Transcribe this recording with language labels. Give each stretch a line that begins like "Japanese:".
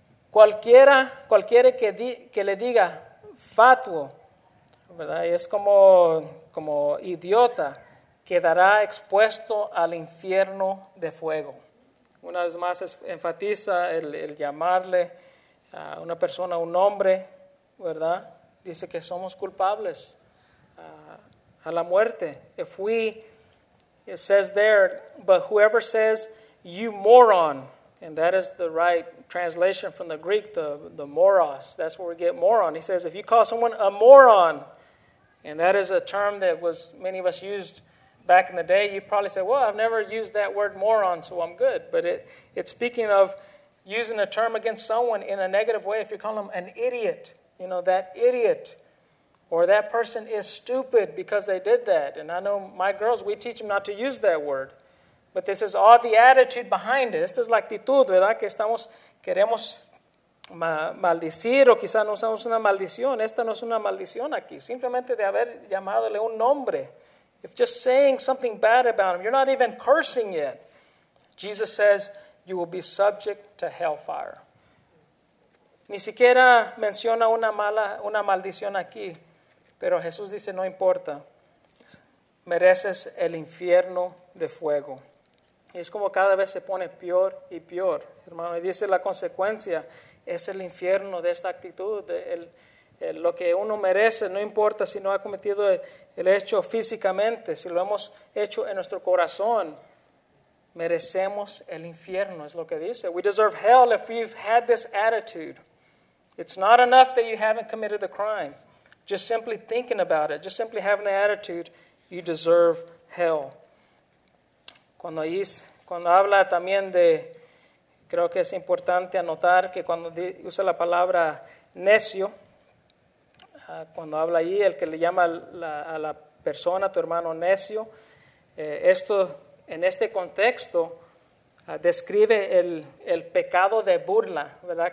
Spanish: Cualquiera que le diga fatuo, ¿verdad?, y es como idiota, quedará expuesto al infierno de fuego. Una vez más enfatiza el llamarle a una persona un hombre, ¿verdad? Dice que somos culpables a la muerte.
English: If we, it says there, but whoever says you moron, and that is the right translation from the Greek, the moros, that's where we get moron. He says, if you call someone a moron, and that is a term that was many of us used back in the day, you probably say, well, I've never used that word moron, so I'm good. But it's speaking of using a term against someone in a negative way. If you call them an idiot, you know, that idiot, or that person is stupid because they did that. And I know my girls, we teach them not to use that word. But this is all the attitude behind it.
Spanish: Esta es la actitud, ¿verdad? Que estamos, queremos maldecir, o quizá no usamos una maldición. Esta no es una maldición aquí. Simplemente de haber llamadole un nombre.
English: If just saying something bad about him, you're not even cursing yet. Jesus says, you will be subject to hellfire.
Spanish: Ni siquiera menciona una maldición aquí. Pero Jesús dice, no importa. Mereces el infierno de fuego. Y es como cada vez se pone peor y peor, hermano. Y dice la consecuencia, es el infierno de esta actitud, de lo que uno merece, no importa si no ha cometido el hecho físicamente, si lo hemos hecho en nuestro corazón, merecemos el infierno, es lo que dice.
English: We deserve hell if we've had this attitude. It's not enough that you haven't committed the crime. Just simply thinking about it, just simply having the attitude, you deserve hell.
Spanish: Cuando habla también de, creo que es importante anotar que cuando usa la palabra necio, cuando habla ahí, el que le llama a la persona, tu hermano necio, esto en este contexto describe el pecado de burla, ¿verdad?